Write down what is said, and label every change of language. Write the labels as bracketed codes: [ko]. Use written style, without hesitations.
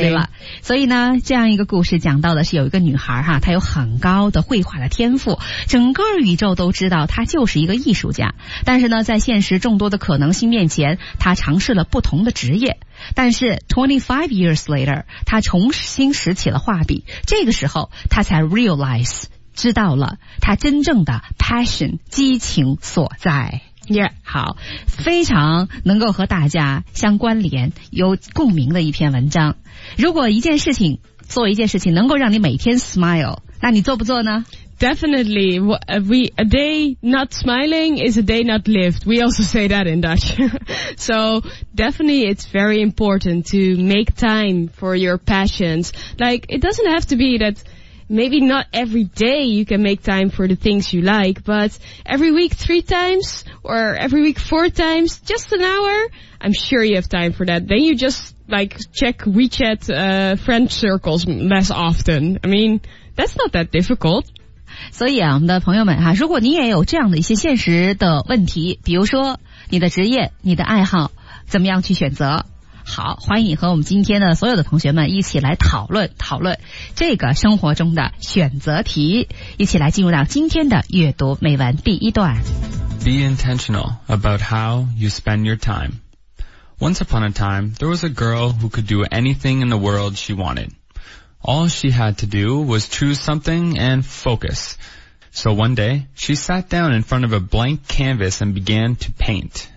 [zh] 对了，所以呢这样一个故事讲到的是有一个女孩哈，她有很高的绘画的天赋，整个宇宙都知道她就是一个艺术家，但是呢在现实众多的可能性面前，她尝试了不同的职业，但是 [en] 25 years later [zh] 他重新拾起了画笔，这个时候他才 realize 知道了他真正的 passion 激情所在。 [en] Yeah. [zh] 好，非常能够和大家相关联有共鸣的一篇文章。如果一件事情做一件事情能够让你每天 smile， 那你做不做呢？ [en] Definitely, a day not smiling is a day not lived. We also say that in Dutch. So definitely it's very important to make time for your passions. Like, it doesn't have to be that maybe not every day you can make time for the things you like, but every week 3 times or every week 4 times, just an hour, I'm sure you have time for that. Then you just like check WeChat friend circles less often. I mean, that's not that difficult. [zh] 所以啊，我们的朋友们哈，如果你也有这样的一些现实的问题，比如说你的职业、你的爱好怎么样去选择，好，欢迎和我们今天的所有的同学们一起来讨论讨论这个生活中的选择题，一起来进入到今天的阅读美文第一段。 [en] Be intentional about how you spend your time. Once upon a time, there was a girl who could do anything in the world she wantedAll she had to do was choose something and focus. So one day, she sat down in front of a blank canvas and began to paint.